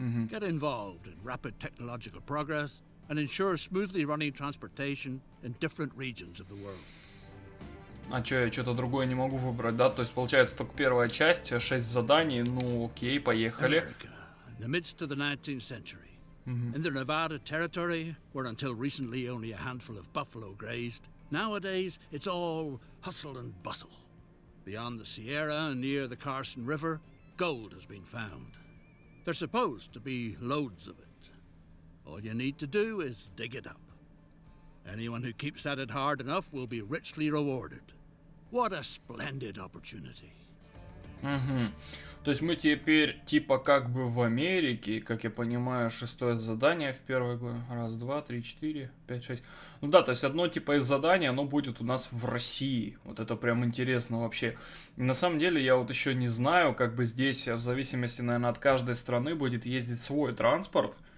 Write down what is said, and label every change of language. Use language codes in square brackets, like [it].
[en] Get involved in rapid technological progress and ensure smoothly running transportation in different regions of the world. [ru] А чё, я что-то другое не могу выбрать, да? То есть получается только первая часть, 6 заданий, ну окей, поехали. [en] America, in the midst of the 19th century, in the Nevada territory, where until recently only a handful of buffalo grazed, nowadays it's all hustle and bustle. Beyond the Sierra, near the Carson River, gold has been found. There's supposed to be loads of it. All you need to do is dig it up. Anyone who keeps at it hard enough will be richly rewarded. What a splendid opportunity. [ru] То есть мы теперь типа как бы в Америке, как я понимаю, шестое задание в первой главе. Раз, два, три, четыре, пять, шесть. Ну да, то есть одно типа из заданий, оно будет у нас в России. Вот это прям интересно вообще. И на самом деле я вот еще не знаю, как бы здесь в зависимости, наверное, от каждой страны будет ездить свой транспорт.